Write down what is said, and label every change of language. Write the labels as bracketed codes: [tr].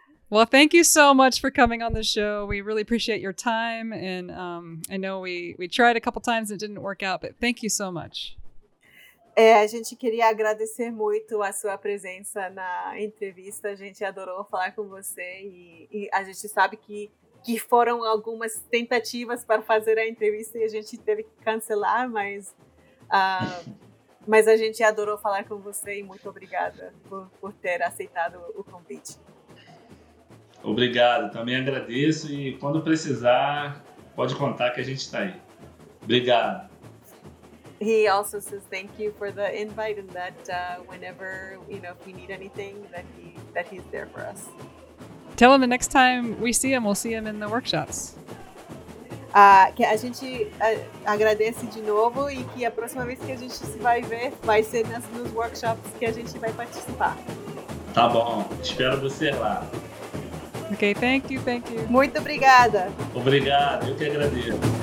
[en] Well, thank you so much for coming on the show. We really appreciate your time. And I know we tried a couple times and it didn't work out, but thank you so much. [pt] É, a gente queria agradecer muito a sua presença na entrevista. A gente adorou falar com você. E a gente sabe que foram algumas tentativas para fazer a entrevista e a gente teve que cancelar, mas a gente adorou falar com você e muito obrigada por ter aceitado o convite. Obrigado, também agradeço e quando precisar, pode contar que a gente está aí. Obrigado. [en] He also says thank you for the invite and that whenever, you know, if we need anything, that he's there for us. Tell him the next time we see him, we'll see him in the workshops. [pt] Que a gente agradece de novo e que a próxima vez que a gente se vai ver vai ser nos workshops que a gente vai participar. Tá bom, espero você lá. [en] Ok, thank you. [pt] Muito obrigada. Obrigado, eu que agradeço.